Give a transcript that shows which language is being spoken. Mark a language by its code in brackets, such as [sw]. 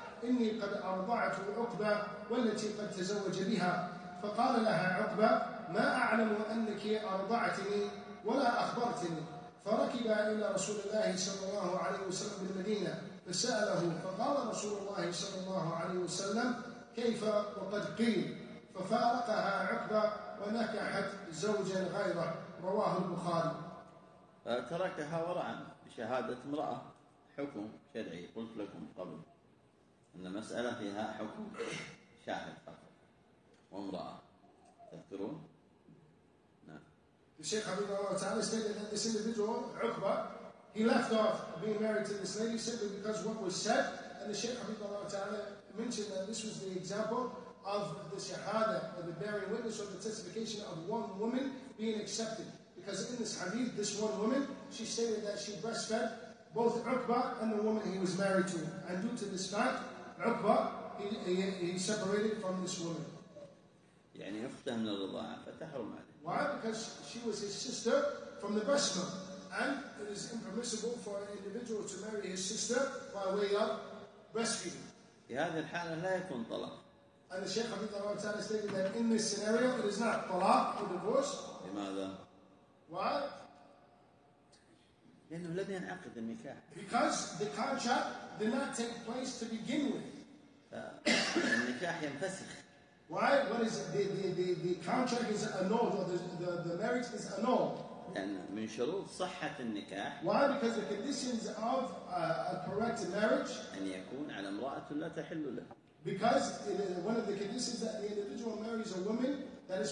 [ar] إني قد أرضعت عقبة والتي قد تزوج بها فقال لها عقبة ما أعلم أنك أرضعتني ولا أخبرتني فركب إلى رسول الله صلى الله عليه وسلم بالمدينة فسأله فقال رسول الله صلى الله عليه وسلم كيف وقد قيل ففارقها عقبة ونكحت زوجا غيره رواه البخاري تركها ورعا بشهادة امرأة حكم شرعي قلت لكم قبل أن مسألة فيها حكم شاهد فقط وامرأة تذكرون [en] نعم الشيخ عبد الله تعالى stated that this individual عقبة he left off being married to this lady simply because what was said and the Shaykh عبد الله تعالى mentioned that this was the example of the shahada, of the bearing witness or the testification of one woman being accepted. Because in this hadith, this one woman, she stated that she breastfed both Uqba and the woman he was married to. And due to this fact, Uqba, he separated from this woman. [ar] يعني أختها من الرضاعة فتحرم عليه. [en] Why? Because she was his sister from the breast milk. And it is impermissible for an individual to marry his sister by way of breastfeeding. [ar] في هذه الحالة لا يكون طلاق. [en] And the Shaykh Habib Allah Ta'ala stated that in this scenario, it is not talaq or divorce. [ar] لماذا? [en] What? [ar] لأنه لم ينعقد النكاح. [en] Because the contract did not take place to begin with. [ar] النكاح ينفسخ. [en] Why? What is it? The contract is annulled or the marriage is annulled. [ar] لأن من شروط صحة النكاح. [en] Why? Because the conditions of a correct marriage. [ar] أن يكون على امرأة لا تحل له. [en] Because it is one of the conditions that the individual marries a woman that is